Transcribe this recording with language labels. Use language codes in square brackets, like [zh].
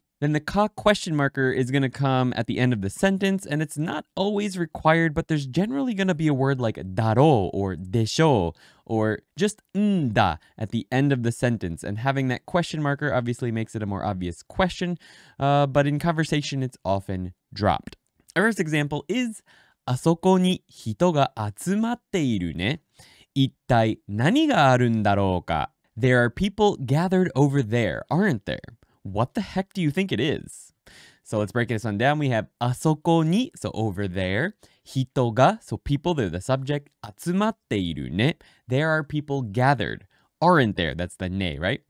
[en] Then the ka question marker is going to come at the end of the sentence, and it's not always required, but there's generally going to be a word like daro or desho or just nda at the end of the sentence. And having that question marker obviously makes it a more obvious question, but in conversation it's often dropped. Our first example is [ja] あそこに人が集まっているね。一体何があるんだろうか? [en] There are people gathered over there, aren't there?What the heck do you think it is? So let's break this one down. We have [ja] あそこに, [en] so over there. [ja] 人が, [en] so people, they're the subject. [ja] 集まっているね. [en] There are people gathered. Aren't there? That's the ね, right?